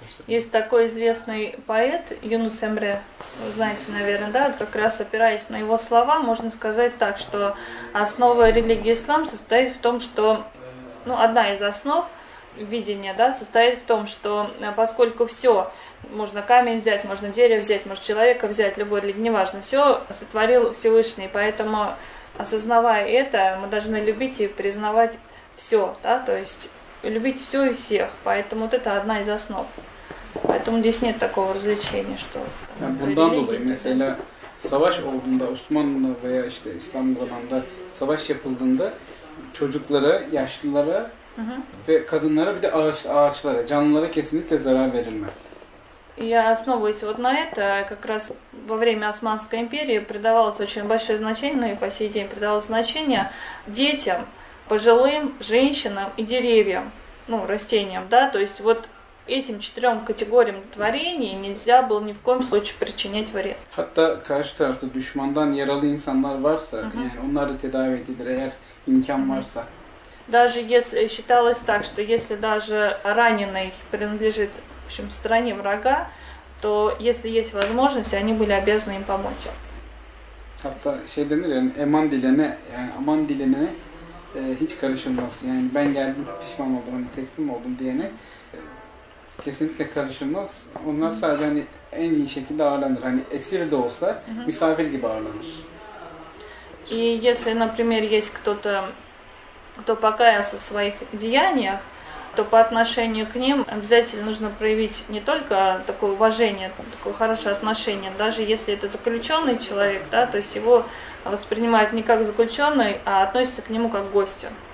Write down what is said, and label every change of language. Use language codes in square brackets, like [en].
[ru] Есть такой известный поэт Юнус Эмре, знаете, наверное, да, как раз опираясь на его слова, можно сказать так, что основа религии ислам состоит в том, что, ну, одна из основ видения, да, состоит в том, что поскольку все, можно камень взять, можно дерево взять, можно человека взять, любой религии, неважно, все сотворил Всевышний, поэтому, осознавая это, мы должны любить и признавать все, да, то есть любить все и всех. Поэтому вот это одна из основ. Поэтому здесь нет такого развлечения, что... [tr] Yani bundan dolayı mesela savaş olduğunda, Osmanlı veya işte İslam zamanında savaş yapıldığında çocuklara, yaşlılara ve kadınlara bir de ağaçlara, canlılara kesinlikle zarar verilmez. [ru] Я основываюсь вот на это, как раз во время Османской империи придавалось очень большое значение, ну и по сей день придавалось значение детям, пожилым, женщинам и деревьям, ну, растениям, да, то есть вот этим четырем категориям творений нельзя было ни в коем случае причинять вред. [tr] Hatta karşı tarafta düşmandan yaralı insanlar varsa, yani onları tedavi edilir, eğer imkan varsa. [ru] Даже если считалось так, что если даже раненый принадлежит, в общем, стороне врага, то если есть возможность, они были обязаны им помочь. [tr] Hatta şey denir yani eman dilene, yani aman dilene hiç karışılmaz. Yani ben geldim, pişman oldum, hani teslim oldum diyene kesinlikle karışılmaz. Onlar sadece hani en iyi şekilde ağırlanır. Hani esir de olsa misafir gibi ağırlanır. [ru] И если, например, есть кто-то, кто покаялся в своих деяниях, то по отношению к ним обязательно нужно проявить не только такое уважение, такое хорошее отношение, даже если это заключенный человек, да, то есть его воспринимают не как заключенный, а относятся к нему как к гостю.